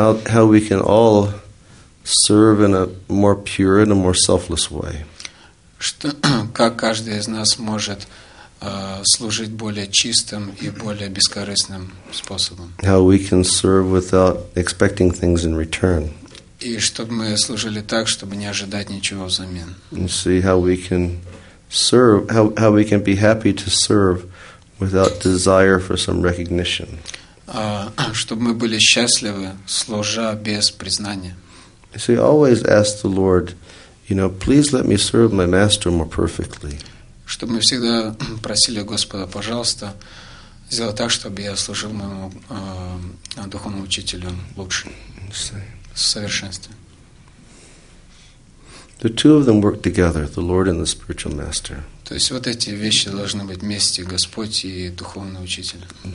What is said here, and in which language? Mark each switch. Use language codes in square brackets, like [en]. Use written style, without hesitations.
[en] How we can all serve in a more pure and a more selfless way. [ru] Как каждый из нас может служить более чистым и более бескорыстным способом. [en] How we can serve without expecting things in return. [ru] И чтобы мы служили так, чтобы не ожидать ничего взамен. [en] And see how we can serve, how we can be happy to serve without desire for some recognition. [ru] Чтобы мы были счастливы, служа без признания. [en] So you always ask the Lord, you know, please let me serve my master more perfectly. [ru] Чтобы мы всегда просили Господа, пожалуйста, сделай так, чтобы я служил моему духовному учителю лучше, в совершенстве. [en] The two of them work together, the Lord and the spiritual master. [ru] То есть вот эти вещи должны быть вместе, Господь и духовный учитель.